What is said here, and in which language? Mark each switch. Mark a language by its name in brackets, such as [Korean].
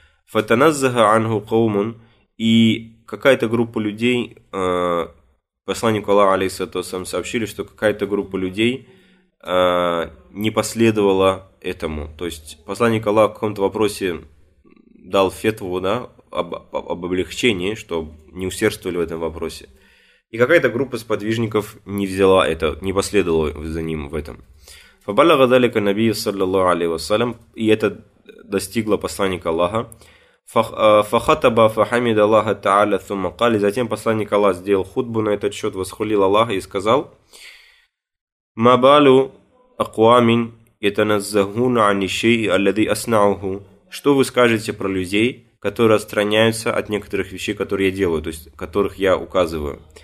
[Arabic] «Фатаназзаха ангу каумун», [Russian] и какая-то группа людей, посланнику Аллаха, алейхиссалату вассалям, сообщили, что какая-то группа людей не последовала этому. То есть посланник Аллаха в каком-то вопросе дал фетву, да, об облегчении, что не усердствовали в этом вопросе. И какая-то группа сподвижников не взяла это, не последовала за ним в этом. [Arabic] فَبَلَغَ ذَلِكَ النَّبِيُّ صَلَّى اللَّهُ عَلَيْهِ وَسَلَّمَ, [Russian] и это достигло посланника Аллаха. [Arabic] فَخَطَبَ فَحَمِدَ اللَّهَ تَعَالَى ثُمَّ قَالَ, [Russian] затем посланник Аллах сделал хутбу на этот счет, восхвалил Аллаха и сказал: [Arabic] مَا بَالُ أَقْوَامٍ يَتَنَزَّهُونَ عَنِ الشَّيْءِ الَّذِي أَصْنَعُهُ, [Russian] что вы скажете про людей, которые отстраняются от некоторых вещей, которые я делаю, то есть которых я указываю.